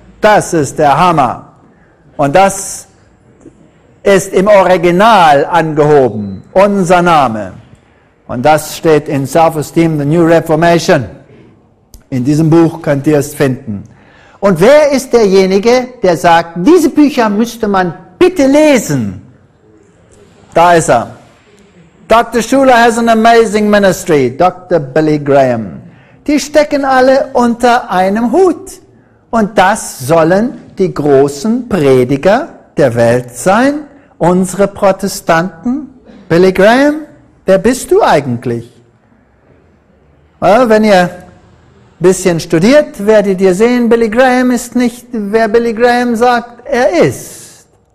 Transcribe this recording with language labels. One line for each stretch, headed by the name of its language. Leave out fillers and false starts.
German: Das ist der Hammer. Und das ist im Original angehoben. Unser Name. Und das steht in Self-Esteem, The New Reformation. In diesem Buch könnt ihr es finden. Und wer ist derjenige, der sagt, diese Bücher müsste man bitte lesen? Da ist er. Dr.
English: Schuller has an amazing ministry, Dr. Billy Graham.
German: Die stecken alle unter einem Hut. Und das sollen die großen Prediger der Welt sein, unsere Protestanten. Billy Graham, wer bist du eigentlich? Wenn ihr ein bisschen studiert, werdet ihr sehen, Billy Graham ist nicht, wer Billy Graham sagt, er ist.